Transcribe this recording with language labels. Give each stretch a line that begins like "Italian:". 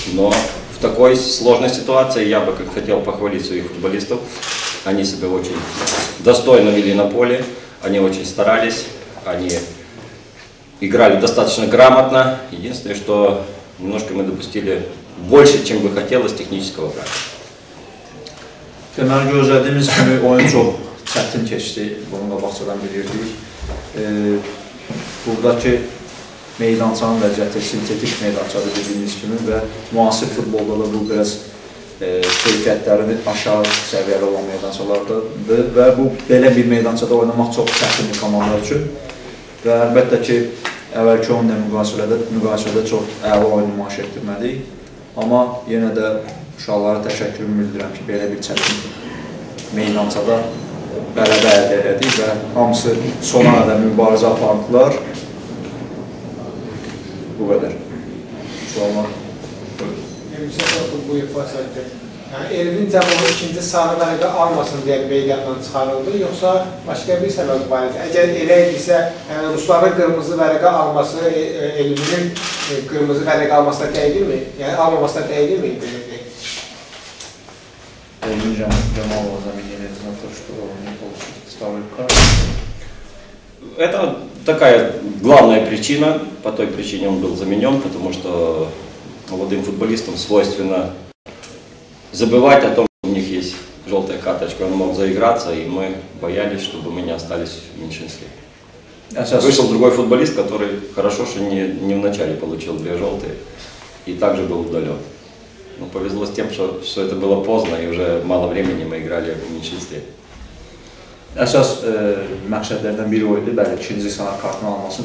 Russian: Но в такой сложной ситуации я бы хотел похвалить своих футболистов. Они себя очень достойно вели на поле, они очень старались, они играли достаточно грамотно. Единственное, что немножко мы допустили больше, чем бы хотелось, технического правила.
Turkish: Temel gözlediğimiz gibi
Azerbaijani: oyun çok çetin keçdi, bunu da Baxçadan bilirdik. Buradaki meydançanın vəziyyəti sintetik meydançadır dediğiniz kimi və müasir futbolda da bu biraz keyfiyyətlərin aşağı səviyyəli olan meydançalardır və bu belə bir meydançada oynamaq çox çətindir komandalar üçün və əlbəttə ki, əvvəlki onunla müqayisədə çox əla oyun nümayiş etdirmədik, amma yenə də uşaqlara təşəkkürümü bildirəm ki, belə bir çətin meydançada bərabə əldə elədik və hamısı sona qədər mübarizə apardılar. Bu qədər. Suallar. Elvin Cəmoğlu ikinci sarı vərəqə almasın deyə meydandan çıxarıldı, yoxsa başqa bir səbəb var idi? Əgər elə idisə, Ruslara qırmızı vərəqə alması, Elvinin qırmızı vərəqə almasına dəyilir mi? Yəni, almamasına dəyilir mi?
Russian: Elvin Cəmoğlu заменяется на то, что он не получил ставлю карту. Это такая главная причина, по той причине он был заменен, потому что молодым футболистам свойственно забывать о том, что у них есть желтая карточка, он мог заиграться, и мы боялись, чтобы мы не остались в меньшинстве. А сейчас вышел другой футболист, который хорошо, что не вначале получил две желтые, и также был удален. Но повезло с тем, что все это было поздно, и уже мало времени мы играли в меньшинстве.
Azerbaijani: Əsas məqsədlərdən biri o idi, bəli, ikinci sarı kartını almasın.